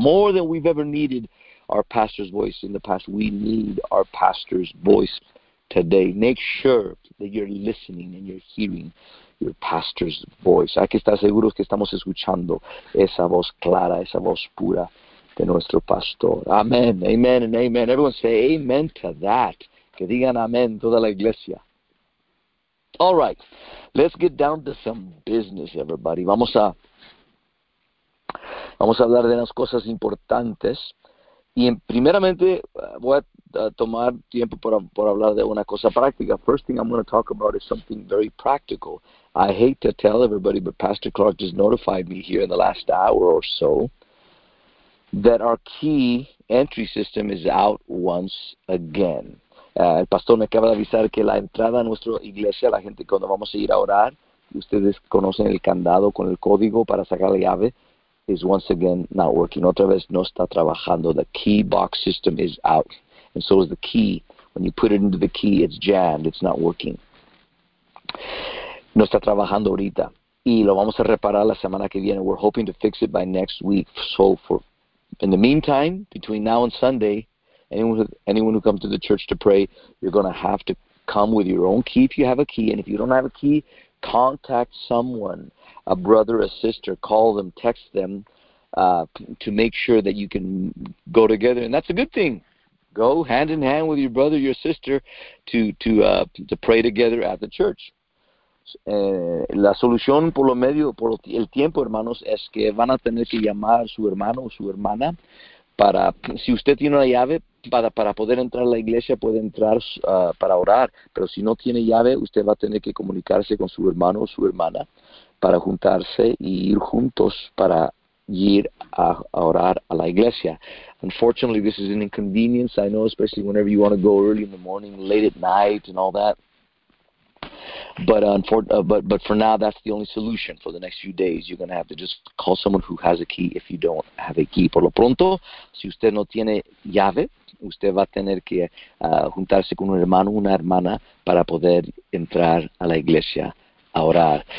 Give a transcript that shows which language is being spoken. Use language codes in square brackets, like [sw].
[en] More than we've ever needed our pastor's voice in the past, we need our pastor's voice today. Make sure that you're listening and you're hearing your pastor's voice. [es] Hay que estar seguros que estamos escuchando esa voz clara, esa voz pura de nuestro pastor. [en] Amen, amen, and amen. Everyone say amen to that. [es] Que digan amen toda la iglesia. [en] All right, let's get down to some business, everybody. [es] Vamos a hablar de unas cosas importantes. Y primeramente voy a tomar tiempo por hablar de una cosa práctica. [en] First thing I'm going to talk about is something very practical. I hate to tell everybody, but Pastor Clark just notified me here in the last hour or so that our key entry system is out once again. [es] El pastor me acaba de avisar que la entrada a nuestra iglesia, la gente cuando vamos a ir a orar, ustedes conocen el candado con el código para sacar la llave, [en] is once again not working. [es] Otra vez no está trabajando. [en] The key box system is out. And so is the key. When you put it into the key, it's jammed. It's not working. [es] No está trabajando ahorita. Y lo vamos a reparar la semana que viene. [en] We're hoping to fix it by next week. In the meantime, between now and Sunday, anyone who comes to the church to pray, you're going to have to come with your own key if you have a key. And if you don't have a key, contact someone, a brother, a sister, call them, text them, to make sure that you can go together. And that's a good thing. Go hand in hand with your brother, your sister, to pray together at the church. [es] La solución por lo medio, por el tiempo, hermanos, es que van a tener que llamar a su hermano o su hermana para, si usted tiene una llave para poder entrar a la iglesia, puede entrar para orar, pero si no tiene llave, usted va a tener que comunicarse con su hermano o su hermana para juntarse y ir juntos para ir a orar a la iglesia. [en] Unfortunately, this is an inconvenience, I know, especially whenever you want to go early in the morning, late at night, and all that. But for now, that's the only solution. For the next few days, you're going to have to just call someone who has a key if you don't have a key. [es] Por lo pronto, si usted no tiene llave, usted va a tener que juntarse con un hermano, una hermana, para poder entrar a la iglesia a orar.